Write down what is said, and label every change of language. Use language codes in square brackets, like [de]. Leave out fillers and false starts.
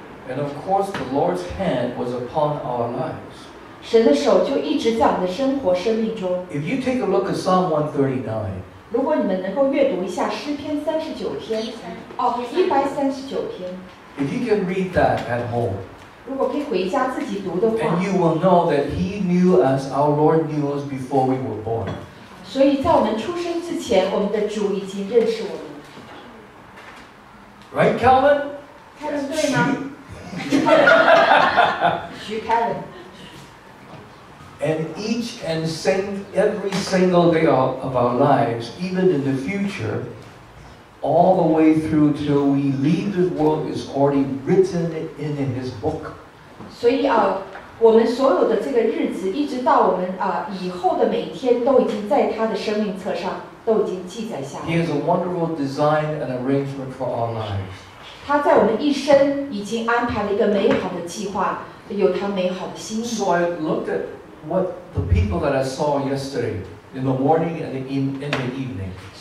[en] And of course, the Lord's hand was upon our lives. [zh] 神的手就一直在我们的生活生命中。 [en] If you take a look at Psalm 139, [zh] 如果你们能够阅读一下诗篇39篇, 139篇。 [en] If you can read that at home, [zh] 如果可以回家自己读的话, [en] and you will know that He knew us, our Lord knew us before we were born. [zh] 所以在我们出生之前, 我们的主已经认识我们。 [en] Right, Calvin? [zh] Calvin对吗? [en] Xu Calvin. And each and every single day of our lives, even in the future, all the way through till we leave this world, is already written in His book. [zh] 所以, 我们所有的这个日子,一直到我们以后的每天都已经在他的生命册上,都已经记载下来。 [en] He has a wonderful design and arrangement for our lives. [zh] 他在我们一生已经安排了一个美好的计划,有他美好的心意。 [en] So I looked at what the people that I saw yesterday in the morning and in the evening.